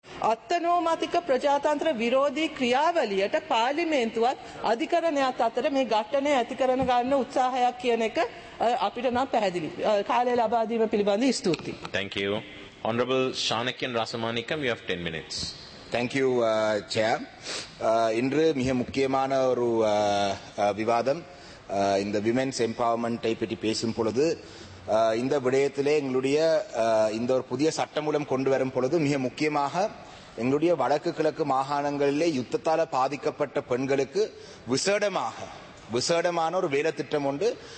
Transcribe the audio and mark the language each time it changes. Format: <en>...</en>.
<si>අත්තනෝමතික ප්‍රජාතන්ත්‍ර විරෝධී ක්‍රියාවලියට පාර්ලිමේන්තුවත් අධිකරණයත් අතර මේ ඝට්ටනය ඇති කරන ගන්න උත්සාහයක් කියන එක අපිට නම් පැහැදිලි. කාලය ලබා දීම පිළිබඳ ස්තුතියි.</si> <en>Thank you. Honorable Shanakyan Rasamanikam, you have 10 minutes. Thank you, Chair.</en> <ta>இன்று மிக முக்கியமான ஒரு விவாதம் இந்த</ta> <en>women's empowerment</en> <ta>பற்றி பேசும் பொழுது இந்த விடயத்திலே எங்களுடைய இந்த ஒரு புதிய சட்டமூலம் கொண்டு வரும் பொழுது மிக முக்கியமாக எங்களுடைய வடக்கு கிழக்கு மாகாணங்களிலே யுத்தத்தால் பாதிக்கப்பட்ட பெண்களுக்கு விசேடமான ஒரு வேலை திட்டம் ஒன்று</ta>